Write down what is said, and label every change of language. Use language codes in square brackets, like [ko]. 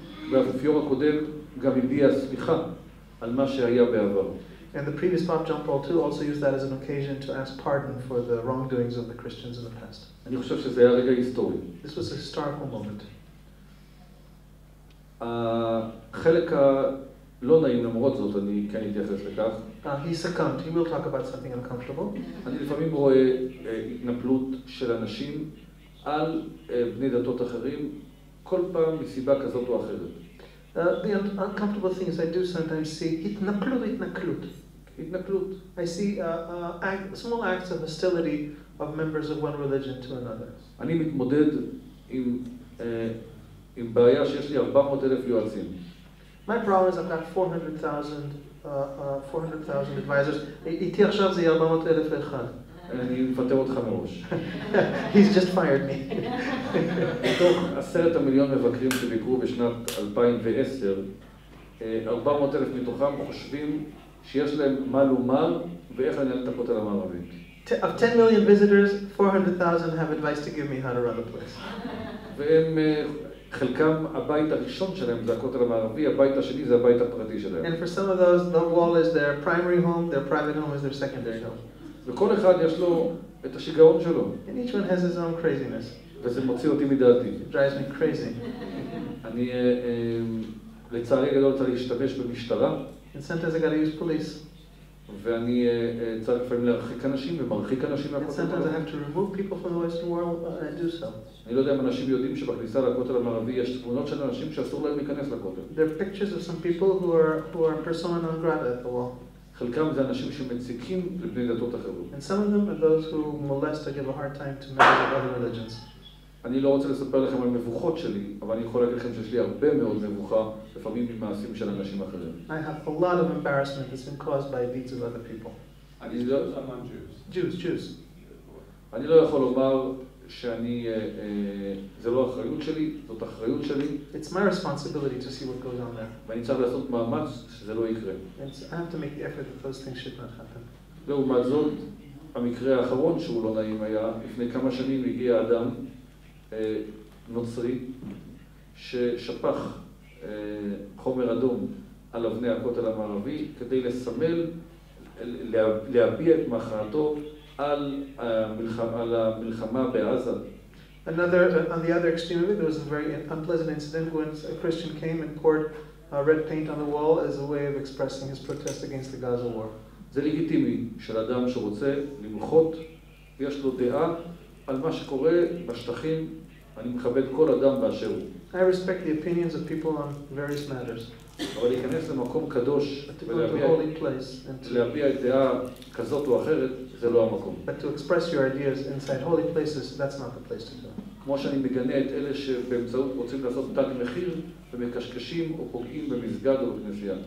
[he] והאפיפיור הקודם גם הביע סליחה על מה שהיה בעבר. [en] And the previous Pope John Paul II also used that as an occasion to ask pardon for the wrongdoings of the Christians in the past. [he] אני חושב שזה היה רגע היסטורי. [en] This was a historical moment. [he] החלק הלא נעים למרות זאת, אני כן אתייחס לכך. [en] He succumbed. He will talk about something uncomfortable. [he] אני לפעמים רואה התנפלות של אנשים על בני דתות אחרים, כל פעם מסיבה כזאת או אחרת. [en] The uncomfortable things I do sometimes see, itnaklut. I see small acts of hostility of members of one religion to another. [he] אני מתמודד עם עם בעיה שיש לי 400,000 יועצים. [en] My problem is I've got 400,000 advisors. [he] איתי עכשיו זה 400,000 אחד. אני מפטר אותך מראש. [en] He's just fired me. [he] מתוך 10 מיליון מבקרים שביקרו בשנת 2010, 400,000 מתוכם חושבים שיש להם מה לומר ואיך לנהל את הכותל המערבי. [en] Of 10 million visitors, 400,000 have advice to give me how to run the place. [he] והם, חלקם, הבית הראשון שלהם זה הכותל המערבי, הבית השני זה הבית הפרטי שלהם. [en] And for some of those, the wall is their primary home, their private home is their secondary home. [he] וכל אחד יש לו את השיגעון שלו. [en] And each one has his own craziness. [he] וזה מוציא אותי מדעתי. [en] Drives me crazy. [he] אני לצערי גדול צריך להשתמש במשטרה. [en] And sometimes I gotta use police. [he] ואני צריך לפעמים להרחיק אנשים ומרחיק אנשים מהכותל. [en] And sometimes I have to remove people from the Western world and do so. [he] אני לא יודע אם אנשים יודעים שבכניסה לכותל המערבי יש תמונות של אנשים שאסור להם להיכנס לכותל. [en] There are pictures of some people who are persona non grata at the wall. [he] חלקם זה אנשים שמציקים לבני דתות אחרות. [en] And some of them are those who molest or give a hard time to members of other religions. [he] אני לא רוצה לספר לכם על מבוכות שלי, אבל אני יכול להגיד לכם שיש לי הרבה מאוד מבוכה לפעמים ממעשים של אנשים אחרים. [en] I have a lot of embarrassment that's been caused by deeds of other people. [he] אני לא... [en] Jews. [he] אני לא יכול לומר שאני... זה לא אחריות שלי, זאת אחריות שלי. [en] It's my responsibility to see what goes on there. [he] ואני צריך לעשות מאמץ שזה לא יקרה. [en] And so I have to make the effort that those things should not happen. [he] לעומת זאת, המקרה האחרון שהוא לא נעים היה, לפני כמה שנים הגיע אדם נוצרי ששפך חומר אדום על אבני הכותל המערבי כדי לסמל, להביע את מחאתו על המלחמה בעזה. [en] Another, on the other extreme of it, there was a very unpleasant incident when a Christian came and poured red paint on the wall as a way of expressing his protest against the Gaza war. [he] זה לגיטימי של אדם שרוצה למחות ויש לו דעה על מה שקורה בשטחים. אני מכבד כל אדם באשר הוא. [en] I respect the opinions of people on various matters. [he] אבל להיכנס למקום קדוש ולהביע את דעה כזאת או אחרת, זה לא המקום. [en] But to express your ideas inside holy places, that's not the place to go. [he] כמו שאני מגנה את אלה שבאמצעות רוצים לעשות תג מחיר ומקשקשים או פוגעים במסגד או בכנסייה.